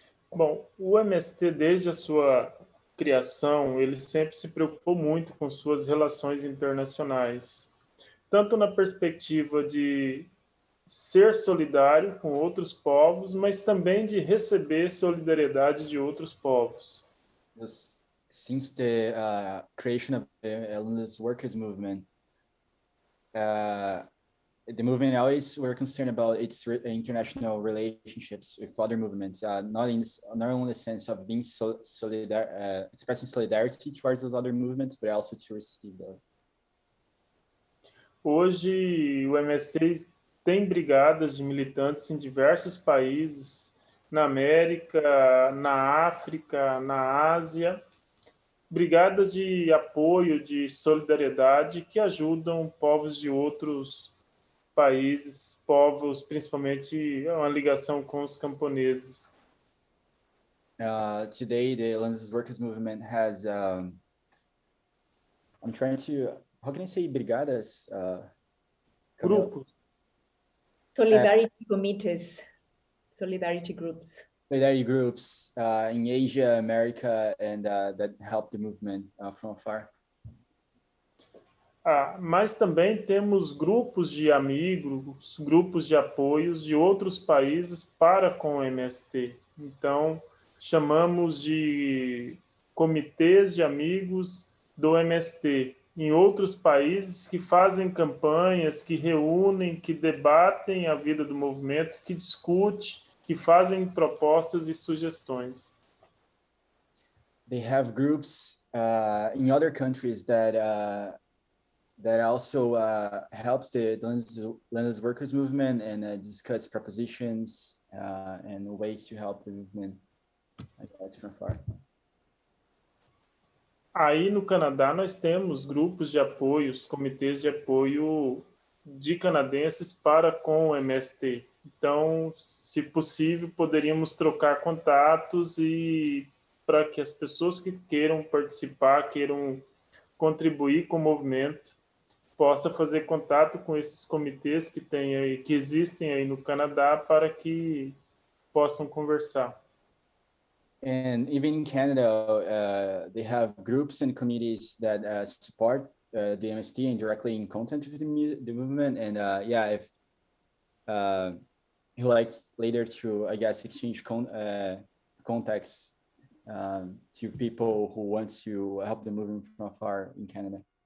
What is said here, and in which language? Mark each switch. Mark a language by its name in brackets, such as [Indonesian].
[Portuguese] Bom, o MST, desde a sua criação, ele sempre se preocupou muito com suas relações internacionais, tanto na perspectiva de ser solidário com outros povos, mas também de receber solidariedade de outros povos. [English] Since the creation of the Landless Workers Movement, the movement always were concerned about its international relationships with other movements, not only in the sense of being expressing solidarity towards those other movements, but also to receive them. [Portuguese] Hoje, o MST tem brigadas de militantes em diversos países, na América, na África, na Ásia, brigadas de apoio, de solidariedade, que ajudam povos de outros países, povos, principalmente uma ligação com os camponeses. [English] Today, the Landless Workers Movement has, I'm trying to, how can I say brigadas? [Portuguese] Grupos. [English] Solidarity committees, solidarity groups. Solidarity groups in Asia, America, and that help the movement from afar. [Portuguese] Mas também temos grupos de amigos, grupos de apoios de outros países para com o MST. Então, chamamos de comitês de amigos do MST em outros países que fazem campanhas, que reúnem, que debatem a vida do movimento, que discute, que fazem propostas e sugestões. [English] they have groups in other countries that that also helps the Landless Workers Movement and discuss propositions and ways to help the movement. That's from far. [Portuguese] Aí no Canadá nós temos grupos de apoio, os comitês de apoio de canadenses para com o MST. Então, se possível, poderíamos trocar contatos e para que as pessoas que queiram participar, queiram contribuir com o movimento, possa fazer contato com esses comitês que tem aí, que existem aí no Canadá para que possam conversar. [English] And even in Canada, they have groups and committees that support the MST and directly in contact with the movement. And yeah, if you like later to, I guess, exchange contacts to people who want to help the movement from afar in Canada.